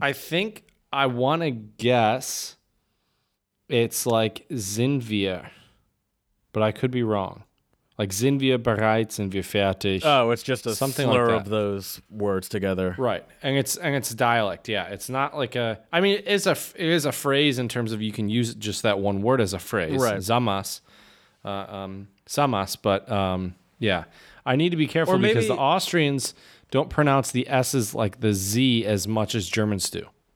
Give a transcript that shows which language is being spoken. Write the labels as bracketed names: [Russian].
[English] I think I want to guess it's like [German] sind wir, [English] but I could be wrong. [German] Like sind wir bereit, sind wir fertig. [English] Oh, it's just a something slur like of those words together. Right. And it's dialect. Yeah. It's not like it is a phrase in terms of you can use just that one word as a phrase. Right. Samas, but yeah. I need to be careful because the Austrians don't pronounce the S's like the Z as much as Germans do.